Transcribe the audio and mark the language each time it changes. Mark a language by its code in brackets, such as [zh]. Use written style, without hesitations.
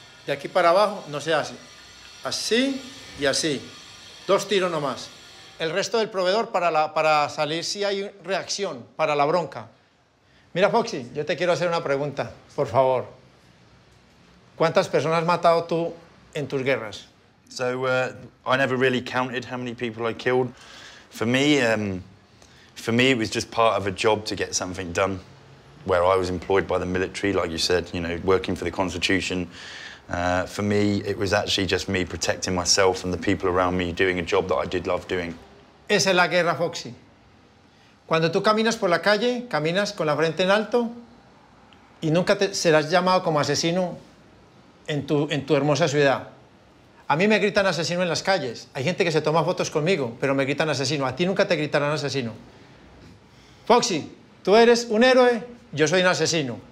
[es] De aquí para abajo no se hace. Así y así. Dos tiros nomás. El resto del proveedor para salir si hay reacción, para la bronca. Mira, Foxy, yo te quiero hacer una pregunta, por favor. ¿Cuántas personas has matado tú en tus guerras? [en] So, I never really counted how many people I killed. For me, it was just part of a job to get something done, where I was employed by the military, like you said, you know, working for the Constitution. For me, it was actually just me protecting myself and the people around me, doing a job that I did love doing. [es] Esa es la guerra, Foxy. Cuando tú caminas por la calle, caminas con la frente en alto y nunca serás llamado como asesino en tu hermosa ciudad. A mí me gritan asesino en las calles. Hay gente que se toma fotos conmigo, pero me gritan asesino. A ti nunca te gritarán asesino. Foxy, tú eres un héroe, yo soy un asesino.